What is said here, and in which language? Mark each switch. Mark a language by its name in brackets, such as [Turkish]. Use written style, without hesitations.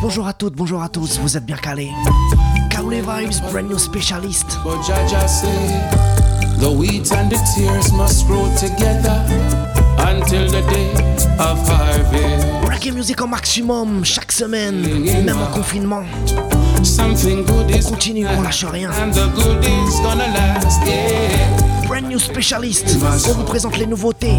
[French] Bonjour à toutes, bonjour à tous, vous êtes bien calés. [English] Kaoulé Vibes, brand new specialist. But Jah Jah say, the wheat and the tears must grow together until the day of harvest. [French] Reggae music au maximum, chaque semaine, même en confinement. [English] Something good is [French] on continue, on lâche rien. [English] And the good is gonna last, yeah. Brand new specialist, [French] on vous présente les nouveautés.